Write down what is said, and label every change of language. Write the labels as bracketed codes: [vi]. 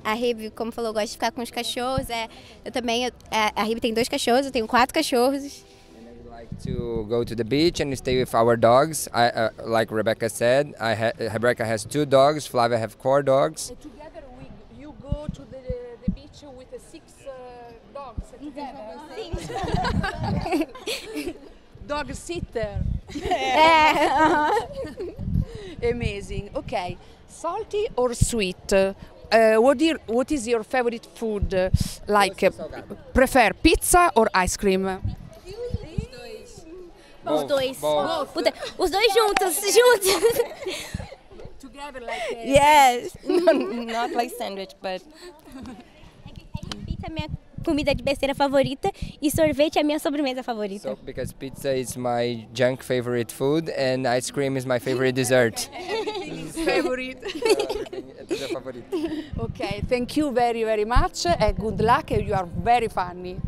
[pt] A Rebe, como falou, gosta de ficar com os cachorros. A Rebe tem dois cachorros, eu tenho quatro cachorros. [en] To go to the beach and stay with our dogs. Like Rebecca said, Rebecca has two dogs, Flavia has four dogs. Together you go to the beach with six dogs. Dog sitter. Amazing. Okay. Salty or sweet? What is your favorite food? Like prefer pizza or ice cream? [pt] Os dois juntos. [en] Together like this. Yes. Not like sandwich, but [pt] pizza comida de besteira favorita e sorvete é a minha sobremesa favorita. [en] So, because pizza is my junk favorite food and ice cream is my favorite dessert. Favorite. Favorite. Okay, thank you very, very much and good luck. You are very funny.